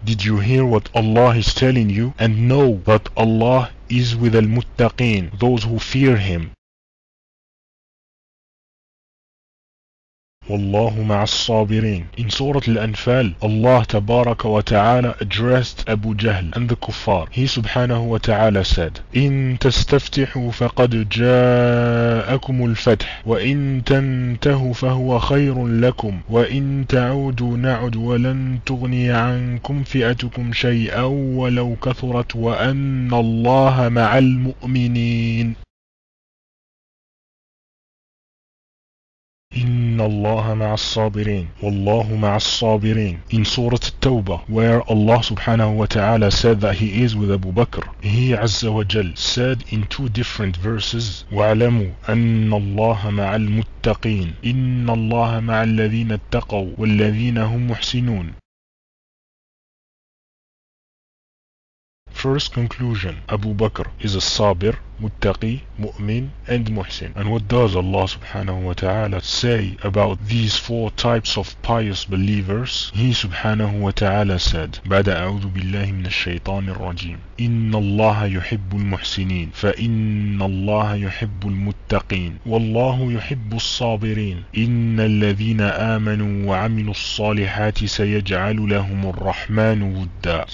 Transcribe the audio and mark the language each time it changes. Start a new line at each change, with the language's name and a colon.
English: Did you hear what Allah is telling you? And know that Allah is with المتقين, those who fear Him.
Arabic: وَاللَّهُ مَعَ الصَّابِرِينَ.
English: In Surah Al-Anfal, Allah تبارك وتعالى addressed Abu Jahl and the Kuffar. He subhanahu wa ta'ala said,
Arabic: إِن تَسْتَفْتِحُوا فَقَدْ جَاءَكُمُ الْفَتْحُ وَإِن تَنْتَهُوا فَهُوَ خَيْرٌ لَكُمْ وَإِن تَعُودُوا نَعُدْ وَلَن تُغْنِيَ عَنْكُمْ فِئَتُكُمْ شَيْئًا وَلَوْ كَثُرَتْ وَأَنَّ اللَّهَ مَعَ الْمُؤْمِنِينَ. إِنَّ اللَّهَ مَعَ الصَّابِرِينَ. وَاللَّهُ مَعَ الصَّابِرِينَ.
English: In Surah At-Tawbah, where Allah subhanahu wa ta'ala said that He is with Abu Bakr, He Azza wa Jal said in two different verses,
Arabic: وَعْلَمُوا أَنَّ اللَّهَ مَعَ الْمُتَّقِينَ. إِنَّ اللَّهَ مَعَ الَّذِينَ اتَّقَوْا وَالَّذِينَ هُمْ مُحْسِنُونَ.
English: First conclusion, Abu Bakr is a Sabir, muttaqi, mu'min, and muhsin. And what does Allah subhanahu wa ta'ala say about these four types of pious believers? He subhanahu wa ta'ala said,
Arabic: بَعْدَ أَعُوذُ بِاللَّهِ مِنَ الشَّيْطَانِ الرَّجِيمِ إِنَّ اللَّهَ يُحِبُّ الْمُحْسِنِينَ فَإِنَّ اللَّهَ يُحِبُّ الْمُتَّقِينَ وَاللَّهُ يُحِبُّ الصَّابِرِينَ إِنَّ الَّذِينَ آمَنُوا وَعَمِلُوا الصَّالِحَاتِ سَيَجْعَلُ لَهُمُ الرَّحْمَنُ وُدًّا.